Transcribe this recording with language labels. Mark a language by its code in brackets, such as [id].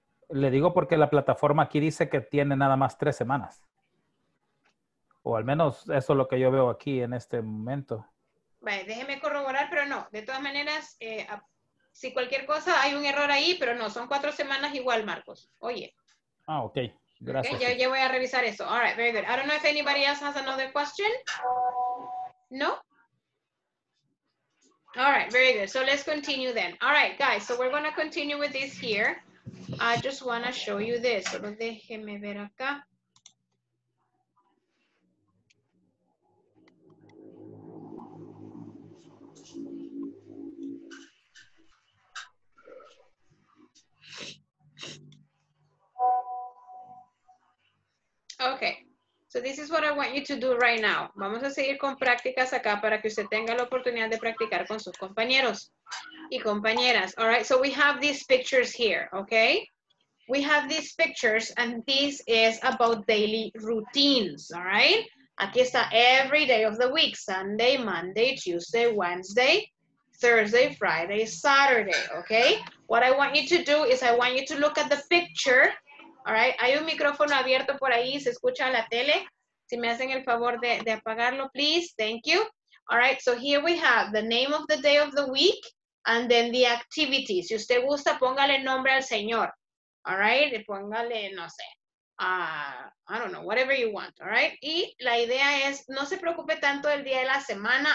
[es] Le digo porque la plataforma aquí dice que tiene nada más 3 semanas. O al menos eso es lo que yo veo aquí en este momento. Vale, déjeme corroborar, pero no. De todas maneras, si cualquier cosa, hay un error ahí, pero no, son 4 semanas igual, Marcos. Oye. Ah, ok. Gracias. Okay, ya voy a revisar eso. [en] All right, very good. I don't know if anybody else has another question. No? All right, very good. So let's continue then. All right, guys, so we're going to continue with this here. I just want to show you this. [es] Solo déjeme ver acá. [en] Okay, so this is what I want you to do right now. [es] Vamos a seguir con prácticas acá para que usted tenga la oportunidad de practicar con sus compañeros y compañeras. [en] All right, so we have these pictures here, okay? We have these pictures and this is about daily routines, all right? [es] Aquí está [en] every day of the week, Sunday, Monday, Tuesday, Wednesday, Thursday, Friday, Saturday, okay? What I want you to do is I want you to look at the picture. [es] All right, hay un micrófono abierto por ahí, se escucha la tele. Si me hacen el favor de apagarlo, please, thank you. [en] All right, so here we have the name of the day of the week and then the activity. [es] Si usted gusta, póngale nombre al señor. All right, póngale, no sé, [en] I don't know, whatever you want. [es] All right, y la idea es, no se preocupe tanto del día de la semana.